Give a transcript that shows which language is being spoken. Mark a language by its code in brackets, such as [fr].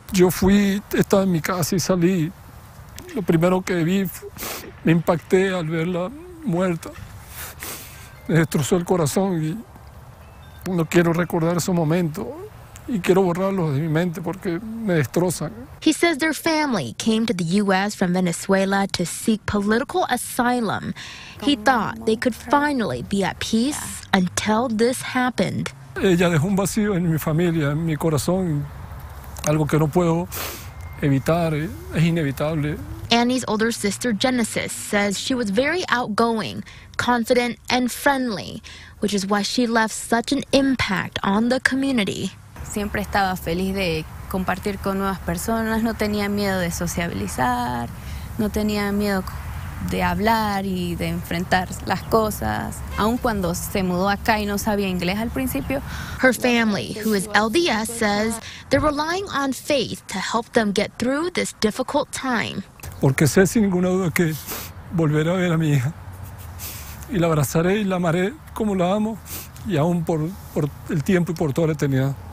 [es] Yo fui, estaba en mi casa y salí. Lo primero que vi, me impacté al verla muerta. Me destrozó el corazón y no quiero recordar ese momento y quiero borrarlos de mi mente porque me destrozan. [en] He says their family came to the U.S. from Venezuela to seek political asylum. He thought they could finally be at peace until this happened. [es] Ella dejó un vacío en mi familia, en mi corazón, algo que no puedo evitar, es inevitable. [en] Annie's older sister, Genesis, says she was very outgoing, confident, and friendly, which is why she left such an impact on the community. [es] Siempre estaba feliz de compartir con nuevas personas. No tenía miedo de sociabilizar. No tenía miedo de hablar y de enfrentar las cosas. Aun cuando se mudó acá y no sabía inglés al principio. [en] Her family, who is LDS, says they're relying on faith to help them get through this difficult time. [es] Porque sé sin ninguna duda que volveré a ver a mi hija y la abrazaré y la amaré como la amo y aún por el tiempo y por toda la eternidad.